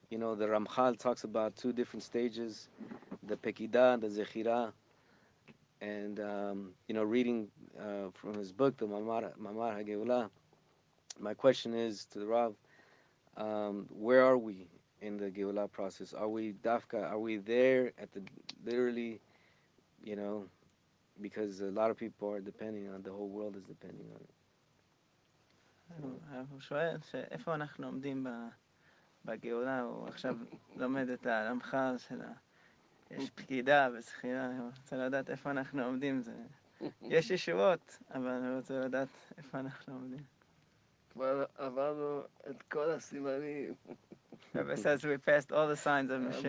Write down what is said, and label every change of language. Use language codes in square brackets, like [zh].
[en] The Ramchal talks about two different stages, the Pekida, the Zechira, and reading from his book, the Mamar HaGeula. My question is to the Rav, where are we in the Geula process? Are we Dafka? Are we there at the literally, because a lot of people are depending on it. The whole world is depending on it. [he] הוא שואל שאיפה אנחנו עומדים בגאולה, הוא עכשיו לומד את הרמח"ל של יש פקידה וזכירה, הוא רוצה לדעת איפה אנחנו עומדים. יש ישועות, אבל הוא רוצה לדעת איפה אנחנו עומדים. כבר עברנו את כל הסימנים. [en] Rabbi says we passed all the signs of Mashiach.